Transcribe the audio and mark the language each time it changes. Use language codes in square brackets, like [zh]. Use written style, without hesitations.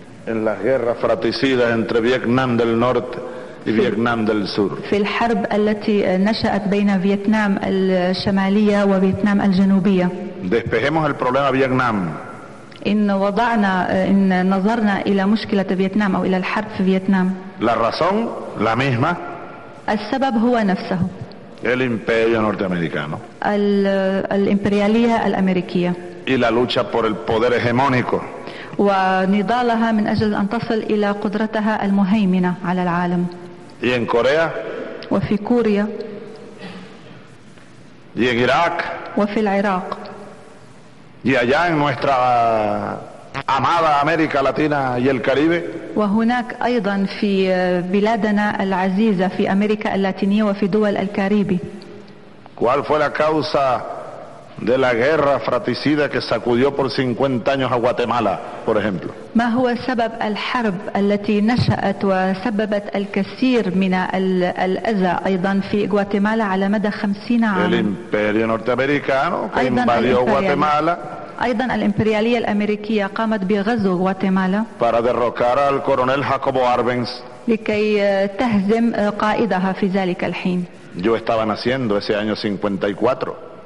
[es] En las guerras fratricidas entre Vietnam del Norte y Vietnam del Sur. [ar] في الحرب التي نشأت بين فيتنام الشمالية وفيتنام الجنوبية. [es] Despejemos el problema Vietnam. [ar] إن نظرنا إلى مشكلة فيتنام أو إلى الحرب في فيتنام. [es] La razón la misma. [ar] السبب هو نفسه. [es] El imperio norteamericano. [ar] الإمبريالية الأمريكية. [es] Y la lucha por el poder hegemónico. [ar] ونضالها من أجل أن تصل إلى قدرتها المهيمنة على العالم. [es] Y en Corea. [ar] وفي كوريا. [es] Y en Irak. [ar] وفي العراق. [es] Y allá en nuestra amada América Latina y el Caribe. [ar] وهناك أيضا في بلادنا العزيزة في أمريكا اللاتينية وفي دول الكاريبي. [es] ¿Cuál fue la causa de la guerra fratricida que sacudió por 50 años a Guatemala, por ejemplo? [ar] ما هو سبب الحرب التي نشأت وسببت الكثير من الأذى أيضا في غواتيمالا على مدى 50 عام؟ [es] El imperio norteamericano que invadió Guatemala. [ar] أيضا الإمبريالية الأمريكية قامت بغزو غواتيمالا. [es] Para derrocar al coronel Jacobo Arbenz. [ar] لكي تهزم قائدها في ذلك الحين. [es] Yo estaba naciendo ese año 54.